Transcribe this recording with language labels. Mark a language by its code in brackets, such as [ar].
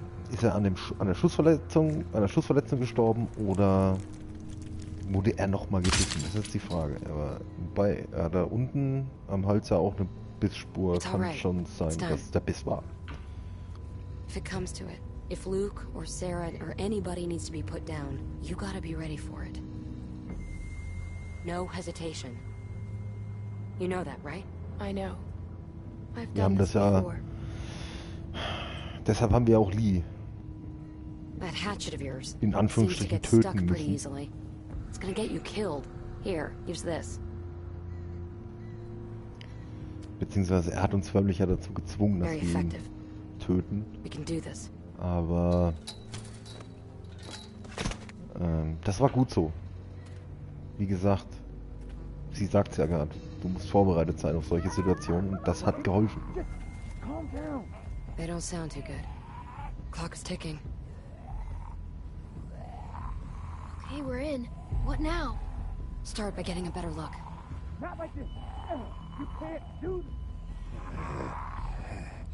[de] Ist er an einer Schussverletzung gestorben, oder... Wurde er nochmal gebissen? Das ist die Frage. Aber bei, ja, da unten am Hals ja auch eine Bissspur. It's kann right. Schon sein, dass es der Biss war. [en] If it comes to it, if Luke or Sarah or anybody needs to be put down, you gotta be ready for it. No hesitation. You know that, right? I know. I've done this before. [de] Deshalb haben wir auch Lee. [en] That hatchet of yours. [de] In Anführungsstrichen töten müssen. [en] It's gonna get you killed. Here, use this. [de] Beziehungsweise er hat uns förmlich ja dazu gezwungen, dass wir ihn töten. [en] We can do this. [de] Aber das war gut so. Wie gesagt, sie sagt's ja gerade. Du musst vorbereitet sein auf solche Situationen und das hat geholfen. [en] They don't sound too good. Clock is ticking. Okay, we're in. What now? Start by getting a better look. Not like this. You can't do this.